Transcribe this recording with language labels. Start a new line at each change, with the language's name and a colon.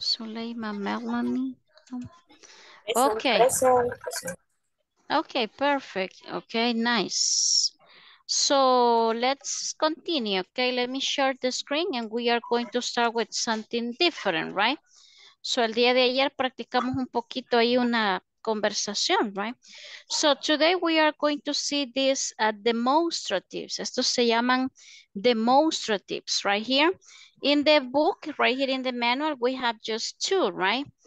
English: Suleima Melanie. Okay. Okay, perfect. Okay, nice. So let's continue. Okay, let me share the screen and we are going to start with something different, right?
Spanish: So, el día de ayer practicamos un poquito ahí una conversación, right?
English: So, today we are going to see these demonstratives.
Spanish: Estos se llaman demonstratives,
English: right here. In the book, right here in the manual, we have just two, right?